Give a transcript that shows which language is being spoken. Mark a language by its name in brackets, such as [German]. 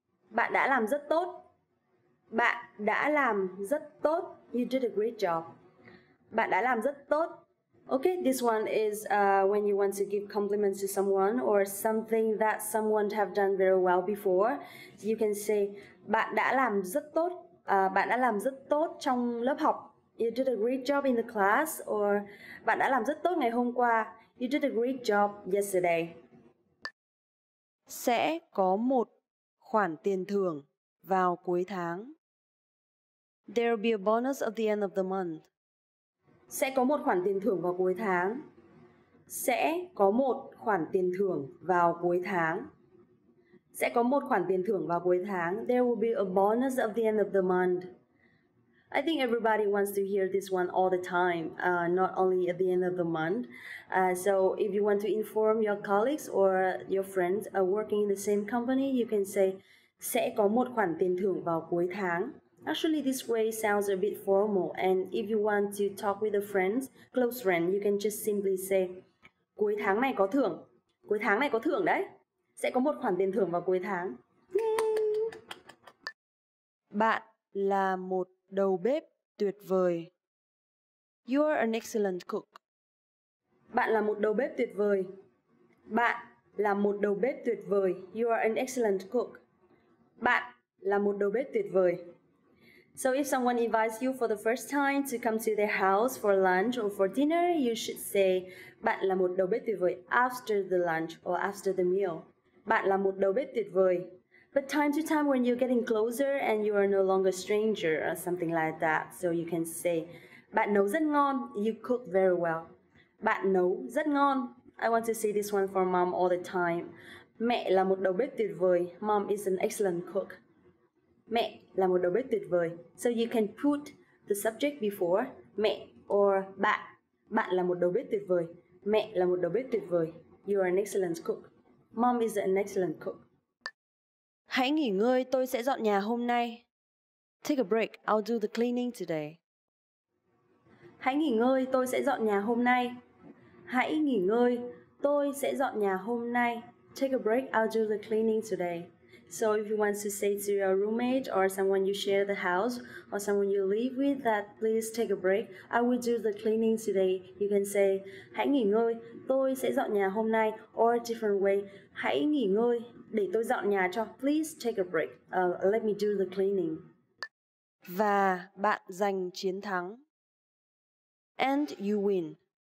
[Vietnamese] Bạn đã làm rất tốt. Bạn đã làm rất tốt. [English] You did a great job. [Vietnamese] Bạn đã làm rất tốt. [English] Okay, this one is when you want to give compliments to someone or something that someone have done very well before. You can say [Vietnamese] bạn đã làm rất tốt. Bạn đã làm rất tốt trong lớp học. [English] You did a great job in the class. [Vietnamese] Or bạn đã làm rất tốt ngày hôm qua. [English] You did a great job yesterday. [Vietnamese] Sẽ có một khoản tiền thưởng vào cuối tháng. [English] There'll be a bonus at the end of the month. [Vietnamese] Sẽ có một khoản tiền thưởng vào cuối tháng. Sẽ có một khoản tiền thưởng vào cuối tháng. Sẽ có một khoản tiền thưởng vào cuối tháng. [English] There will be a bonus at the end of the month. I think everybody wants to hear this one all the time, not only at the end of the month. So if you want to inform your colleagues or your friends working in the same company, you can say [Vietnamese] sẽ có một khoản tiền thưởng vào cuối tháng. [English] Actually, this way sounds a bit formal. And if you want to talk with a friend, close friend, you can just simply say [Vietnamese] cuối tháng này có thưởng. Cuối tháng này có thưởng đấy. Sẽ có một khoản tiền thưởng vào cuối tháng. Bạn là một đầu bếp tuyệt vời. [English] You are an excellent cook. [Vietnamese] Bạn là một đầu bếp tuyệt vời. Bạn là một đầu bếp tuyệt vời. [English] You are an excellent cook. [Vietnamese] Bạn là một đầu bếp tuyệt vời. [English] So if someone invites you for the first time to come to their house for lunch or for dinner, you should say [Vietnamese] bạn là một đầu bếp tuyệt vời [English] after the lunch or after the meal. [Vietnamese] Bạn là một đầu bếp tuyệt vời. [English] But time to time when you're getting closer and you are no longer a stranger or something like that, so you can say [Vietnamese] bạn nấu rất ngon, [English] you cook very well. [Vietnamese] Bạn nấu rất ngon. [English] I want to say this one for mom all the time. [Vietnamese] Mẹ là một đầu bếp tuyệt vời. [English] Mom is an excellent cook. [Vietnamese] Mẹ là một đầu bếp tuyệt vời. [English] So you can put the subject before mẹ or bạn. [Vietnamese] Bạn là một đầu bếp tuyệt vời. Mẹ là một đầu bếp tuyệt vời. [English] You are an excellent cook. Mom is an excellent cook. [Vietnamese] Hãy nghỉ ngơi, tôi sẽ dọn nhà hôm nay. [English] Take a break, I'll do the cleaning today. [Vietnamese] Hãy nghỉ ngơi, tôi sẽ dọn nhà hôm nay. Hãy nghỉ ngơi, tôi sẽ dọn nhà hôm nay. [English] Take a break, I'll do the cleaning today. So if you want to say to your roommate or someone you share the house or someone you live with that please take a break, I will do the cleaning today. You can say, [Vietnamese] hãy nghỉ ngơi, tôi sẽ dọn nhà hôm nay. [English] Or a different way, [Vietnamese] hãy nghỉ ngơi, để tôi dọn nhà cho. [English] Please take a break. Let me do the cleaning. [Vietnamese] Và bạn giành chiến thắng. [English] And you win.